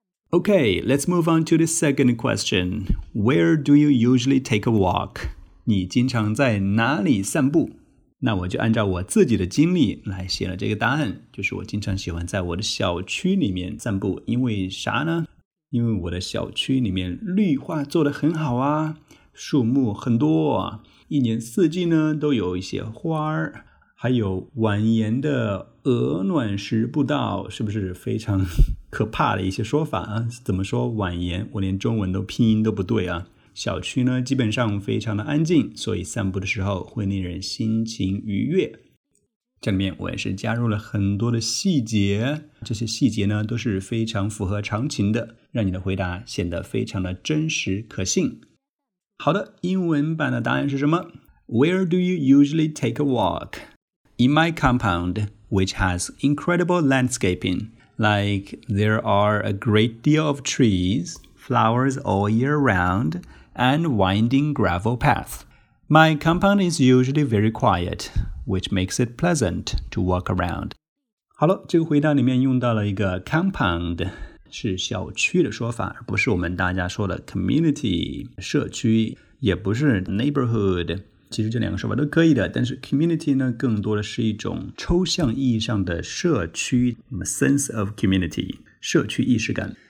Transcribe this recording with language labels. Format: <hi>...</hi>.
<en>Okay, let's move on to the second question. Where do you usually take a walk?</en> <zh>你经常在哪里散步？那我就按照我自己的经历来写了这个答案，就是我经常喜欢在我的小区里面散步。因为啥呢？因为我的小区里面绿化做得很好啊，树木很多，一年四季呢都有一些花儿，还有蜿蜒的鹅卵石步道，是不是非常可怕的一些说法啊？怎么说蜿蜒？我连中文都拼音都不对啊。小区呢基本上非常的安静，所以散步的时候会令人心情愉悦。这里面我也是加入了很多的细节，这些细节呢都是非常符合常情的，让你的回答显得非常的真实可信。好的，英文版的答案是什么？</zh> <en>Where do you usually take a walk? In my compound, which has incredible landscaping, like there are a great deal of trees, flowers all year round, and winding gravel path. My compound is usually very quiet, which makes it pleasant to walk around.</en> <zh>好了，这个回答里面用到了一个 compound， 是小区的说法，而不是我们大家说的 community， 社区，也不是 neighborhood。其实这两个说法都可以的，但是 community 呢更多的是一种抽象意义上的社区，</zh> <en>sense of community，</en> <zh>社区意识感。</zh>